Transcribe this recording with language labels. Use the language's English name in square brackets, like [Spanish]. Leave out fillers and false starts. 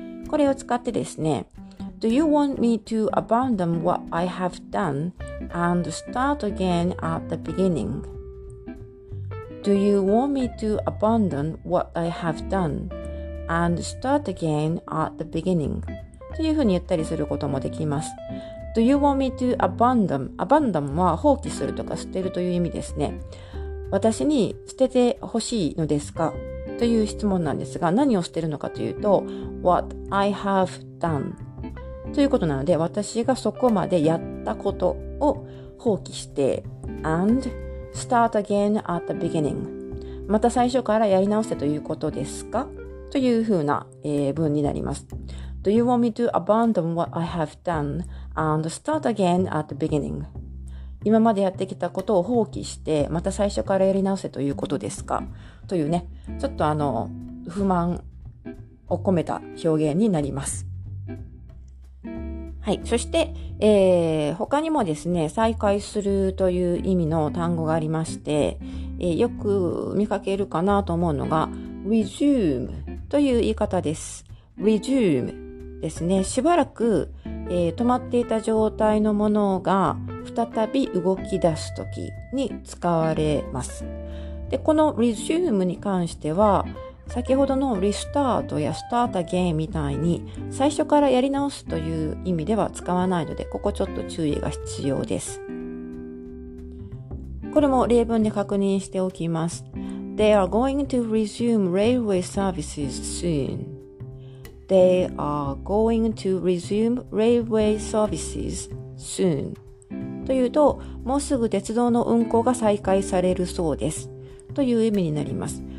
[Japanese] これを使ってですね、 [English] Do you want me to abandon what I have done and start again at the beginning? Do you want me to abandon what I have done and start again at the beginning? [Japanese] というふうに言ったりすることもできます。 [English] Do you want me to abandon? [Japanese] Abandon は放棄するとか捨てるという意味ですね。私に捨ててほしいのですか? という質問なんですが、何を捨てるのかというと、 [English] What I have done [Japanese] ということなので、私がそこまでやったことを放棄して、 [English] and start again at the beginning。 [Japanese] また最初からやり直せということですか?というふうな、文になります。 [English] Do you want me to abandon what I have done and start again at the beginning? [Japanese] 今までやってきたことを放棄して、また最初からやり直せということですか? というね、ちょっと不満を込めた表現になります。はい。そして、他にもですね、再開するという意味の単語がありまして、よく見かけるかなと思うのが、resume という言い方です。 resume ですね。しばらく、止まっていた状態のものが再び動き出すときに使われます。で、この resume に関しては、先ほどのリスタートやスタートアゲインみたいに最初からやり直すという意味では使わないので、ここちょっと注意が必要です。これも例文で確認しておきます。 [English] They are going to resume railway services soon. They are going to resume railway services soon. [Japanese] というと、もうすぐ鉄道の運行が再開されるそうです。という意味になります。